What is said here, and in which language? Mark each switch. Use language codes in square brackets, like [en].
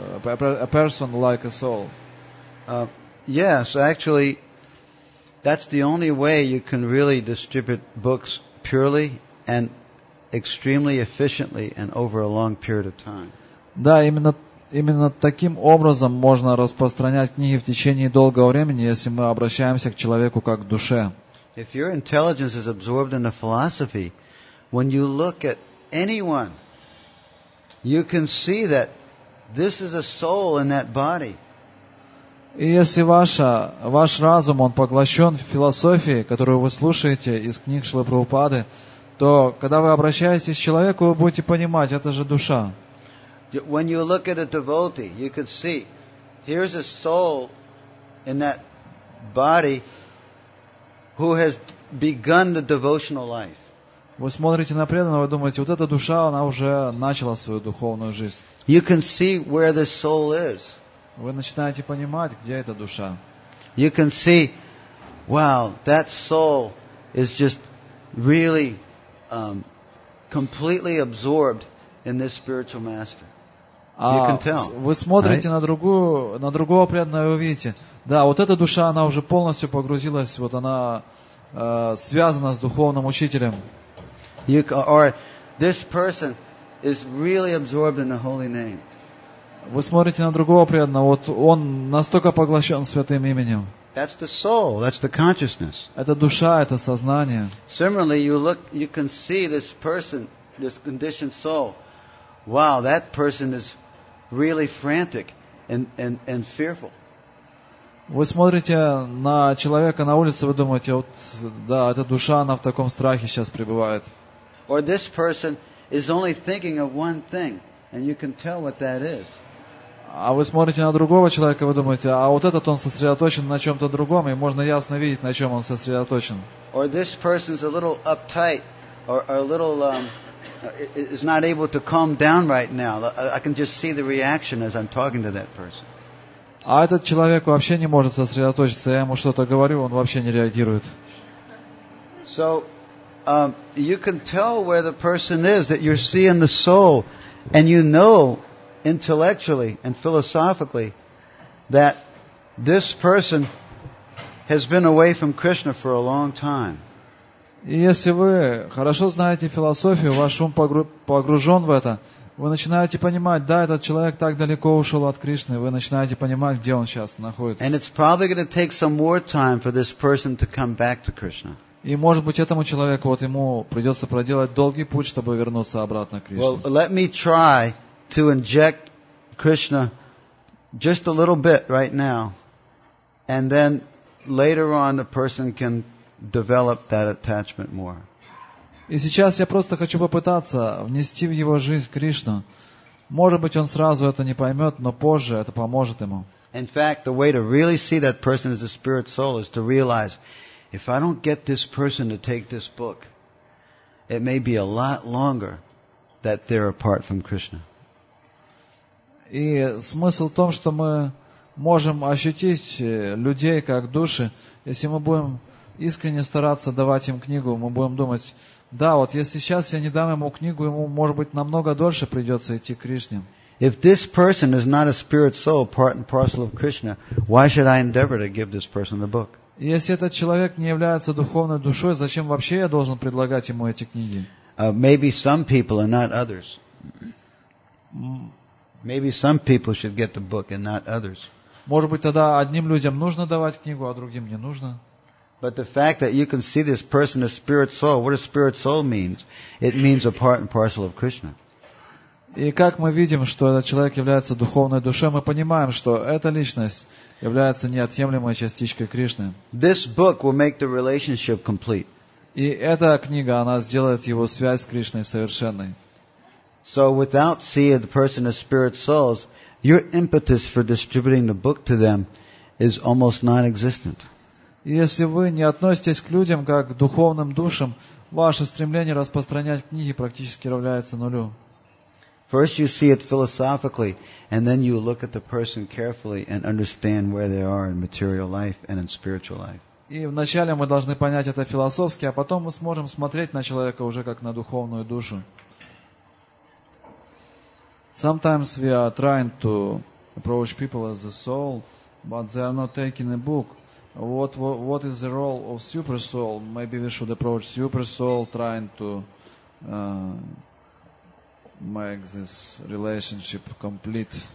[en] A person like a soul? Yes, actually, that's the only way you can really distribute books purely and extremely efficiently and over a long period of time. [ru] Да, именно таким образом можно распространять книги в течение долгого времени, если мы обращаемся к человеку как к душе. [en] If your intelligence is absorbed in a philosophy, when you look at anyone, you can see that this is a soul in that body. [ru] И если ваш разум он поглощен в философии, которую вы слушаете из книг Шрилы Прабхупады, то когда вы обращаетесь к человеку, вы будете понимать, это же душа. [en] When you look at a devotee, you could see, here's a soul in that body who has begun the devotional life. [ru] Вы смотрите на преданного, вы думаете, вот эта душа, она уже начала свою духовную жизнь. [en] You can see where this soul is. [ru] Вы начинаете понимать, где эта душа. [en] You can see, wow, that soul is just really completely absorbed in this spiritual master. [ru] Вы смотрите на другого преданного, и вы видите, да, вот эта душа, она уже полностью погрузилась, вот она связана с духовным учителем. [en] This person is really absorbed in the holy name. [ru] Вы смотрите на другого преданного, вот он настолько поглощен святым именем. [en] That's the soul, that's the consciousness. [ru] Это душа, это сознание. [en] Similarly, you can see this person, this conditioned soul. Wow, that person is really frantic and fearful. [ru] Вы смотрите на человека на улице, вы думаете, вот да, эта душа, она в таком страхе сейчас пребывает. [en] Or this person is only thinking of one thing, and you can tell what that is. [ru] А вы смотрите на другого человека, вы думаете, а вот этот он сосредоточен на чем-то другом, и можно ясно видеть, на чем он сосредоточен. [en] Or this person's a little uptight, or a little is not able to calm down right now. I can just see the reaction as I'm talking to that person. [ru] А этот человек вообще не может сосредоточиться, я ему что-то говорю, он вообще не реагирует. [en] So you can tell where the person is, that you're seeing the soul, and you know intellectually and philosophically that this person has been away from Krishna for a long time. [ru] И если вы хорошо знаете философию, ваш ум погружен в это, Вы начинаете понимать, да, этот человек так далеко ушел от Кришны, вы начинаете понимать, где он сейчас находится. И может быть этому человеку, вот ему придется проделать долгий путь, чтобы вернуться обратно к Кришне. [en] Well, let me try to inject Krishna just a little bit right now, and then later on the person can develop that attachment more. [ru] И сейчас я просто хочу попытаться внести в его жизнь Кришну. Может быть, он сразу это не поймет, но позже это поможет ему. [en] In fact, the way to really see that person as a spirit soul is to realize, if I don't get this person to take this book, it may be a lot longer that they're apart from Krishna. [ru] И смысл в том, что мы можем ощутить людей как души, если мы будем искренне стараться давать им книгу, мы будем думать, да, вот если сейчас я не дам ему книгу, ему, может быть, намного дольше придется идти к Кришне. [en] If this person is not a spirit soul, part and parcel of Krishna, why should I endeavor to give this person the book? [ru] Если этот человек не является духовной душой, зачем вообще я должен предлагать ему эти книги? [en] Maybe some people and not others. Maybe some people should get the book and not others. [ru] Может быть, тогда одним людям нужно давать книгу, а другим не нужно. [en] But the fact that you can see this person as spirit soul, what does spirit soul mean? It means a part and parcel of Krishna. [ru] И как мы видим, что этот человек является духовной душой, мы понимаем, что эта личность является неотъемлемой частичкой Кришны. [en] This book will make the relationship complete. [ru] И эта книга, она сделает его связь с Кришной совершенной. [en] So without seeing the person as spirit souls, your impetus for distributing the book to them is almost non-existent. [ru] Если вы не относитесь к людям как к духовным душам, ваше стремление распространять книги практически равняется нулю. [en] First you see it philosophically, and then you look at the person carefully and understand where they are in material life and in spiritual life. [ru] И вначале мы должны понять это философски, а потом мы сможем смотреть на человека уже как на духовную душу. [en] Sometimes we are trying to approach people as a soul, but they are not taking a book. What is the role of super soul? Maybe we should approach super soul, trying to make this relationship complete.